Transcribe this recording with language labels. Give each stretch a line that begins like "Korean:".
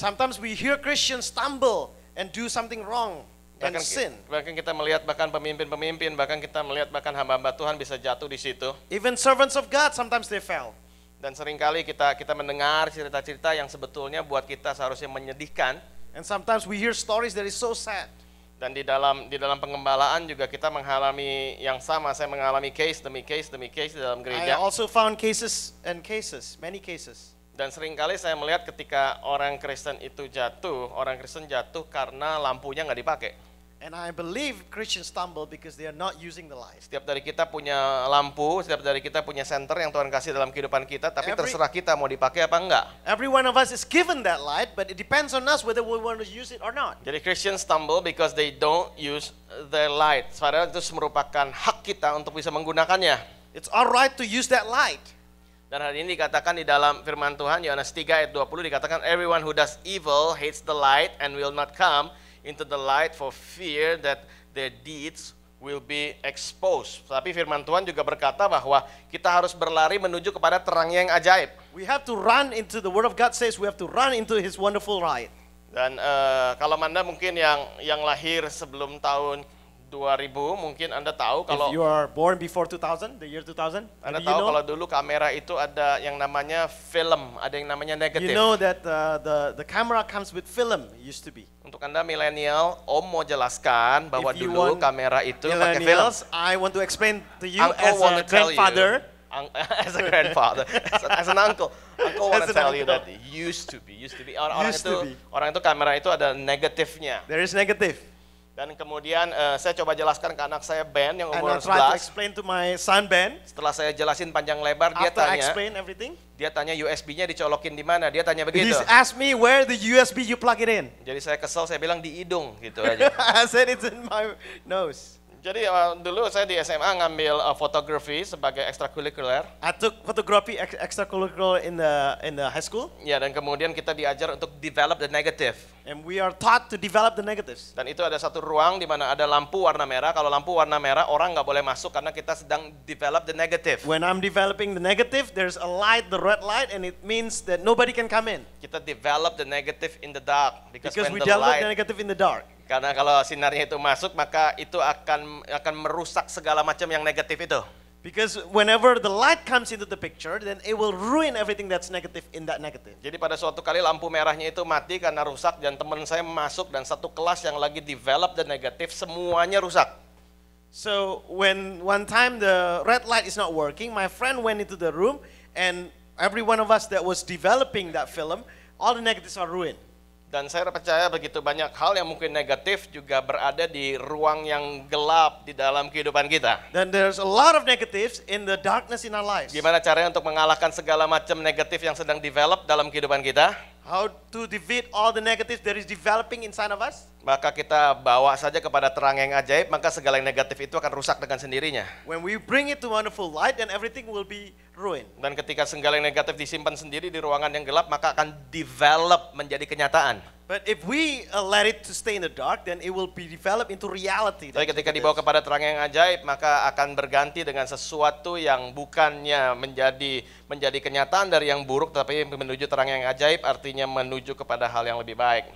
English: Sometimes we hear Christians stumble and do something wrong.
Indonesian: Bahkan kita melihat bahkan pemimpin-pemimpin, bahkan kita melihat bahkan hamba-hamba Tuhan bisa jatuh di situ.
English: Even servants of God sometimes they fell.
Indonesian: Dan seringkali kita mendengar cerita-cerita yang sebetulnya buat kita seharusnya menyedihkan.
English: And sometimes we hear stories that is so sad.
Indonesian: Dan di dalam pengembalaan juga kita mengalami yang sama. Saya mengalami case demi case demi case di dalam gereja.
English: I also found cases and cases, many cases.
Indonesian: Dan seringkali saya melihat ketika orang Kristen itu jatuh, orang Kristen jatuh karena lampunya enggak dipakai.
English: And I believe Christians stumble because they are not using the light.
Indonesian: Setiap dari kita punya lampu, setiap dari kita punya center yang Tuhan kasih dalam kehidupan kita, tapi terserah kita mau dipakai apa enggak.
English: Every one of us is given that light, but it depends on us whether we want to use it or not.
Indonesian: Jadi
English: Christians stumble because they don't use their light.
Indonesian: Padahal itu merupakan hak kita untuk bisa menggunakannya.
English: It's our right to use that light.
Indonesian: Dan hari ini dikatakan di dalam firman Tuhan Yohanes 3 ayat 20 dikatakan
English: everyone who does evil hates the light and will not come into the light for fear that their deeds will be exposed.
Indonesian: Tapi firman Tuhan juga berkata bahwa kita harus berlari menuju kepada terang yang ajaib.
English: We have to run into the word of God says we have to run into his wonderful light.
Indonesian: Dan kalau Anda mungkin yang lahir sebelum tahun 2000 mungkin Anda tahu kalau
English: if you are born before 2000, the year 2000,
Indonesian: Anda tahu,
English: you know?
Indonesian: Kalau dulu kamera itu ada yang namanya film, ada yang namanya negatif.
English: You know that the camera comes with film used to be.
Indonesian: Untuk Anda milenial, Om mau jelaskan bahwa
English: if
Indonesian: dulu kamera itu pakai film.
English: I want to explain to you as a grandfather. As an uncle. Uncle want to tell you that used to be.
Indonesian: Orang itu kamera itu ada negatifnya.
English: There is negative.
Indonesian: Dan kemudian saya coba jelaskan ke anak saya Ben yang umur 11.
English: And I tried to explain to my son Ben.
Indonesian: Setelah saya jelasin panjang lebar, dia
English: after
Indonesian: tanya.
English: After explain everything.
Indonesian: Dia tanya USB-nya dicolokin di mana? Dia tanya begitu.
English: He asked me where the USB you plug it in.
Indonesian: Jadi saya kesel, saya bilang di hidung gitu aja.
English: I said it's in my nose.
Indonesian: Jadi dulu saya di SMA ngambil photography sebagai extracurricular.
English: I took photography extracurricular in the high school.
Indonesian: Ya, dan kemudian kita diajar untuk
English: develop the negative. And we are taught to develop the negatives.
Indonesian: Dan itu ada satu ruang di mana ada lampu warna merah. Kalau lampu warna merah, orang enggak boleh masuk karena kita sedang
English: develop the negative. When I'm developing the negative, there's a light, the red light, and it means that nobody can come in.
Indonesian: Kita
English: develop the negative in the dark because we develop the negative in the dark.
Indonesian: Karena kalau sinarnya itu masuk maka itu akan merusak segala macam yang negatif itu.
English: Because whenever the light comes into the picture, then it will ruin everything that's negative in that negative.
Indonesian: Jadi pada suatu kali lampu merahnya itu mati karena rusak dan teman saya masuk dan satu kelas yang lagi
English: develop the negative
Indonesian: semuanya rusak.
English: So when one time the red light is not working, my friend went into the room and every one of us that was developing that film, all the negatives are ruined.
Indonesian: Dan saya percaya begitu banyak hal yang mungkin negatif juga berada di ruang yang gelap di dalam kehidupan kita.
English: Then there's a lot of negatives in the darkness in our lives.
Indonesian: Gimana caranya untuk mengalahkan segala macam negatif yang sedang develop dalam kehidupan kita?
English: How to defeat all the negatives that is developing inside of us?
Indonesian: Maka kita bawa saja kepada terang yang ajaib, maka segala yang negatif itu akan rusak dengan sendirinya.
English: When we bring it to wonderful light, then everything will be ruined.
Indonesian: Dan ketika segala yang negatif disimpan sendiri di ruangan yang gelap, maka akan develop menjadi kenyataan.
English: But if we let it to stay in the dark, then it will be developed into reality.
Indonesian: Tapi ketika dibawa kepada terang yang ajaib, maka akan berganti dengan sesuatu yang bukannya menjadi kenyataan dari yang buruk, tetapi menuju terang yang ajaib, artinya menuju kepada hal yang lebih baik.